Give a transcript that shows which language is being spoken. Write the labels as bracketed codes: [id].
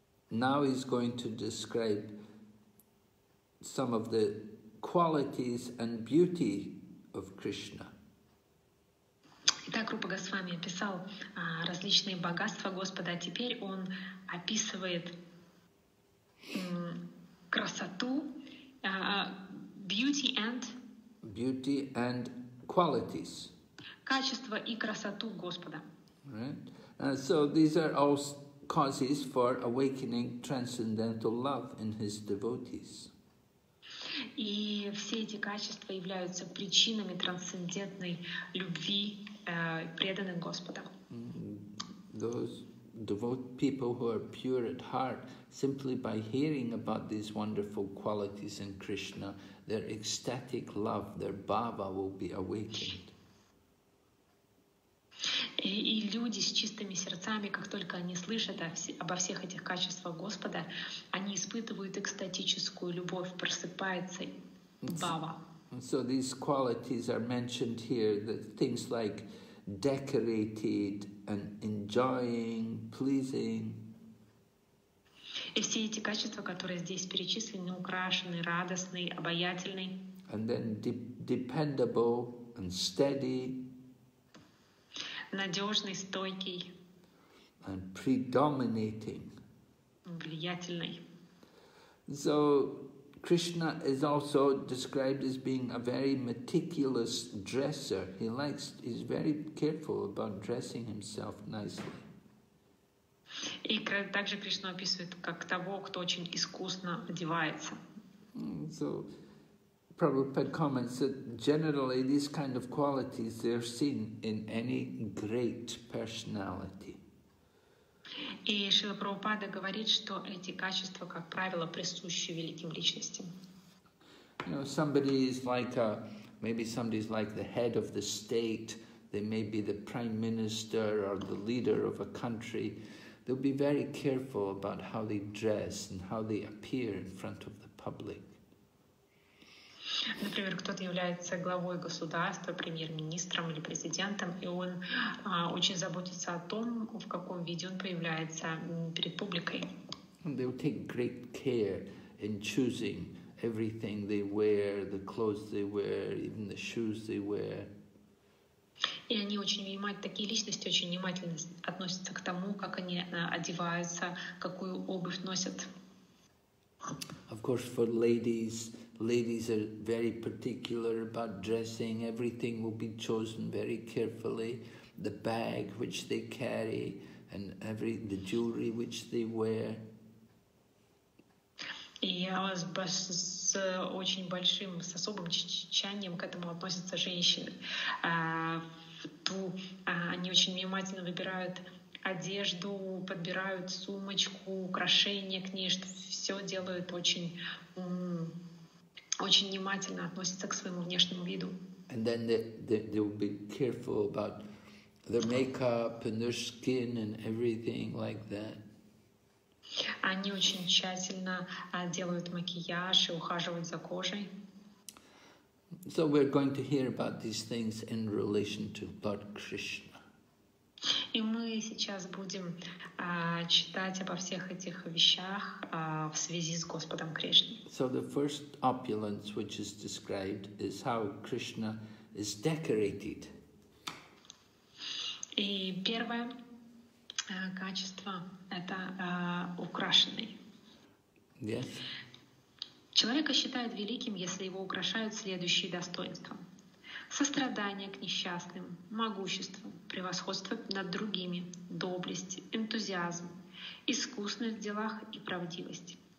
[en] Now he's going to describe some of the qualities and beauty of Krishna. [ru] Итак, Рупа Госвами описал различные богатства Господа, а теперь он описывает красоту, [en] beauty and qualities. [ru] Качество и красоту Господа. [en] Right. So these are all causes for awakening transcendental love in his devotees. [ru] И все эти качества являются причинами трансцендентной любви преданных Господа. [en] Those devote people who are pure at heart, simply by hearing about these wonderful qualities in Krishna, their ecstatic love, their bhava will be awakened. [ru] И люди с чистыми сердцами, как только они слышат обо всех этих качествах Господа, они испытывают экстатическую любовь, просыпается бхава. [en] So these qualities are mentioned here, that things like decorated and enjoying, pleasing. [ru] И все эти качества, которые здесь перечислены, украшены, радостный, обаятельный. [en] And then dependable and steady. [ru] Надежный, стойкий. [en] And predominating. [ru] Влиятельный. [en] So Krishna is also described as being a very meticulous dresser. He's very careful about dressing himself nicely. [ru] И также Кришна описывает как того, кто очень искусно одевается. [en] So Prabhupada comments that generally these kind of qualities they're seen in any great personality. [ru] И Шрила Прабхупада говорит, что эти качества, как правило, присущи великим личностям. [en] You know, somebody is like a, maybe somebody's like the head of the state, they may be the prime minister or the leader of a country. They'll be very careful about how they dress and how they appear in front of the public. [ru] Например, кто-то является главой государства, премьер-министром или президентом, и он очень заботится о том, в каком виде он появляется перед публикой. [en] And they'll take great care in choosing everything they wear, the clothes they wear, even the shoes they wear. [ru] И они очень внимательны, такие личности очень внимательно относятся к тому, как они одеваются, какую обувь носят. [en] Of course, for ladies, ladies are very particular about dressing. Everything will be chosen very carefully. The bag which they carry and the jewelry which they wear. [ru] И я с очень большим, с особым тщанием к этому относятся женщины. Они очень внимательно выбирают одежду, подбирают сумочку, украшения к ней, что все делают очень, очень внимательно относятся к своему внешнему виду. [en] And then they will be careful about their makeup and their skin and everything like that. [ru] Они очень тщательно делают макияж и ухаживают за кожей. [en] So we're going to hear about these things in relation to Lord Krishna. [ru] И мы сейчас будем читать обо всех этих вещах в связи с Господом Кришной. [en] So the first opulence which is described is how Krishna is decorated. [ru] И первое качество – это украшенный. [en] Yes. [ru] Человека считают великим, если его украшают следующие достоинства. Сострадание к несчастным, могущество, превосходство над другими, доблесть, энтузиазм, искусность в делах и правдивость.